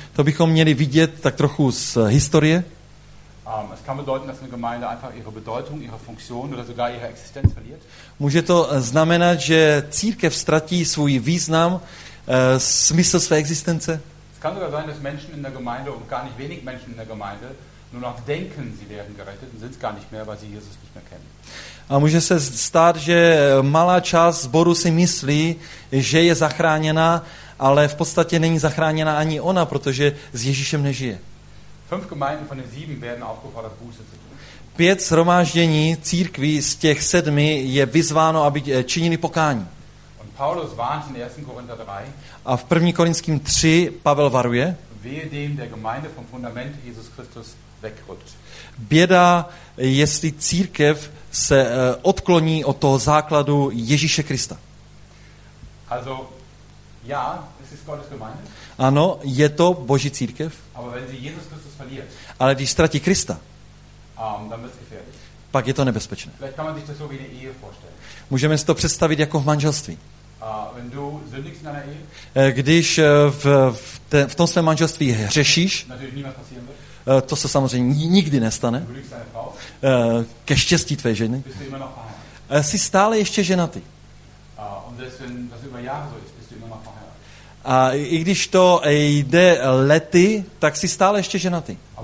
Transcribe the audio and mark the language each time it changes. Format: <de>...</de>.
<cs>To bychom měli vidět tak trochu z historie.</cs> <de>Es kann bedeuten, dass eine Gemeinde einfach ihre Bedeutung, ihre Funktion oder sogar ihre Existenz verliert.</de> <cs>Může to znamenat, že církev ztratí svůj význam, smysl své existence?</cs> <de>Es kann sogar sein, dass Menschen in der Gemeinde und gar nicht wenig Menschen in der Gemeinde nur noch denken, sie werden gerettet und sind es gar nicht mehr, weil sie Jesus nicht mehr kennen.</de> <cs>A může se stát, že malá část sboru si myslí, že je zachráněna, ale v podstatě není zachráněna ani ona, protože s Ježíšem nežije.</cs> <de>Fünf Gemeinden von den sieben werden aufgefordert, Buße zu tun.</de> <cs>Pět shromáždění církví z těch sedmi je vyzváno, aby činili pokání.</cs> <de>Und Paulus warnt in 1. Korinther 3.</de> <cs>A v 1. Korinským 3 Pavel varuje.</cs> <de>Wehe dem, der Gemeinde vom Fundament Jesus Christus wegrutscht.</de> <cs>Běda, jestli církev se odkloní od toho základu Ježíše Krista.</cs> <de>Also, ja, es ist Gottes Gemeinde.</de> <cs>Ano, je to Boží církev.</cs> <de>Aber wenn sie Jesus Christus verliert,</de> <cs>ale když ztratí Krista,</cs> <de>dann wird's gefährlich.</de> <cs>Pak je to nebezpečné.</cs> <de>Vielleicht kann man sich das so wie eine Ehe vorstellen.</de> <cs>Můžeme si to představit jako v manželství.</cs> <de>Wenn du sündigst in einer Ehe,</de> <cs>když v tom svém manželství hřešíš,</cs> <de>natürlich niemals passieren wird.</de> <cs>To se samozřejmě nikdy nestane.</cs> <de>Du liebst deine Frau,</de> <cs>ke štěstí tvé ženy.</cs> <de>Bist du immer noch verheiratet.</de> <cs>Jsi stále ještě ženatý.</cs> <de>Und selbst wenn das über Jahre so ist, bist du immer noch verheiratet.</de> <cs>A i když to jde lety, tak jsi stále ještě ženatý.</cs>